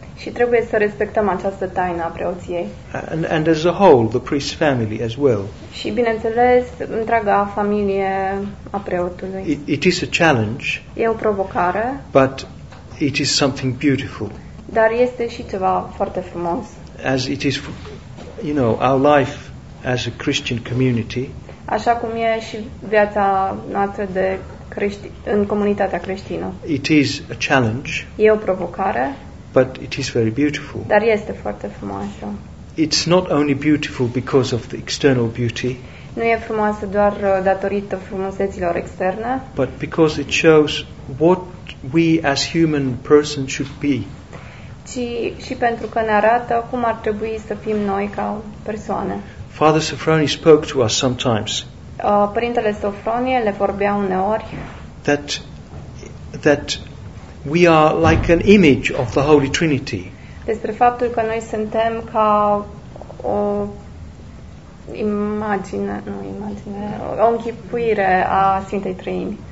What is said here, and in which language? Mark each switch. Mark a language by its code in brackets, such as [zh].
[ro] Și trebuie să respectăm această taină a preoției. [en] And as a whole, the priest's family as well. [ro] Și bineînțeles, întreaga familie a preotului. [en] It is a challenge. [ro] E o provocare. [en] But it is something beautiful. [ro] Dar este și ceva foarte frumos. [en] As it is you know, our life as a Christian community. [ro] Așa cum e și viața noastră de în comunitatea creștină. [en] It is a challenge. [ro] E o provocare. [en] But it is very beautiful. [ro] Dar este foarte frumoasă. [en] It's not only beautiful because of the external beauty. [ro] Nu e frumoasă doar datorită frumuseților externe. [en] But because it shows what we as human persons should be. [ro] Și pentru că ne arată cum ar trebui să fim noi ca persoane. [en] Father Sofroni spoke to us sometimes. [ro] Părintele Sofronie le vorbea uneori. [en] That we are like an image of the Holy Trinity. [ro] Despre faptul că noi suntem ca o imagine, nu imagine, o închipuire a Sfintei Treimi.